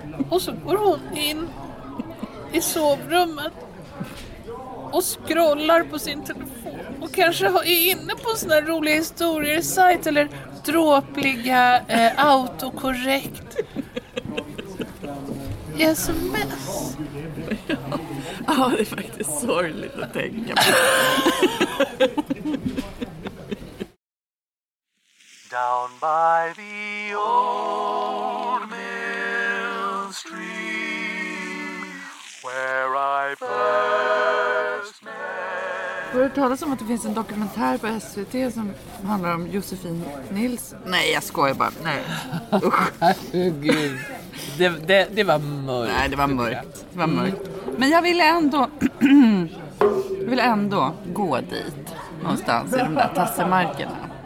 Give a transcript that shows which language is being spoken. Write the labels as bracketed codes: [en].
[sv] Och så går hon in i sovrummet och scrollar på sin telefon och kanske är inne på en sån här rolig historiesajt eller dråpliga autokorrekt sms. Ja, det är faktiskt sorgligt att tänka på. [en] Down by the old mill stream, where I first met. [sv] Har du talat om att det finns en dokumentär på SVT som handlar om Josefin Nils? Nej, jag skojar bara. Nej. Gud. Det var mörkt. Nej, det var mörkt. Det var mörkt. Men jag ville ändå gå dit någonstans i de där tassemarkerna.